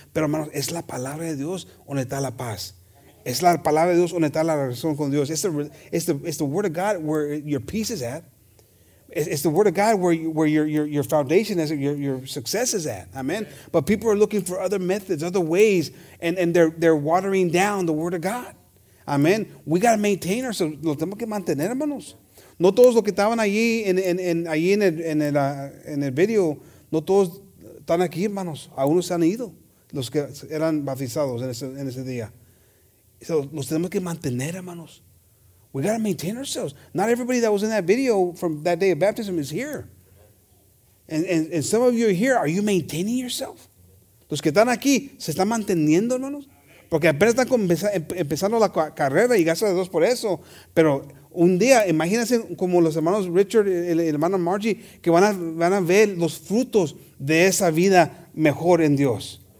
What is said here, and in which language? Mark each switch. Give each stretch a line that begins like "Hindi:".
Spanish: Pero hermanos, es la palabra de Dios donde está la paz. Es la palabra de Dios donde está la relación con Dios.
English: It's the word of God where your peace is at. It's the word of God where your foundation is, your success is at. Amen. But people are looking for other methods, other ways, and they're watering down the word of God. Amen. We got to maintain ourselves.
Spanish: Lo tenemos que mantener, hermanos. No todos los que estaban allí en el video, no todos están aquí, hermanos. Algunos se han ido, los que eran bautizados en ese día. So, los tenemos que mantener, hermanos.
English: We got to maintain ourselves. Not everybody that was in that video from that day of baptism is here. And some of you are here. Are you maintaining yourself?
Spanish: Los que están aquí, ¿se están manteniendo, hermanos? Porque apenas están empezando la carrera y gracias a Dios por eso. Pero un día, imagínense como los hermanos Richard y el hermano Margie, que van a ver los frutos de esa vida mejor en Dios.